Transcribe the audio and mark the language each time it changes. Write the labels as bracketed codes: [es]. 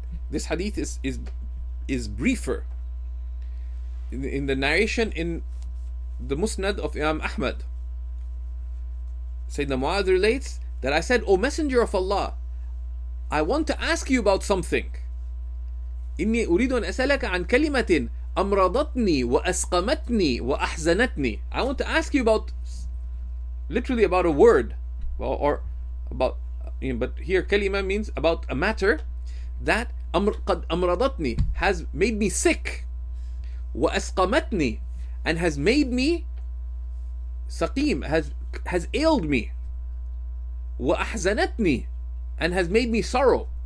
[en] This hadith is briefer. In the narration in the Musnad of Imam Ahmad, Sayyidina Mu'adh relates that I said, O Messenger of Allah, I want to ask you about something. [ar] إني أريد أن أسألك عن كلمة أمرضتني وأسقمتني وأحزنتني. [en] I want to ask you about, literally about a word, or about, you know, but here كلمة means about a matter that [ar] قد أمرضتني, [en] has made me sick, [ar] وأسقمتني, [en] and has made me سقيم, has ailed me, [ar] وأحزنتني, [en] and has made me sorrow.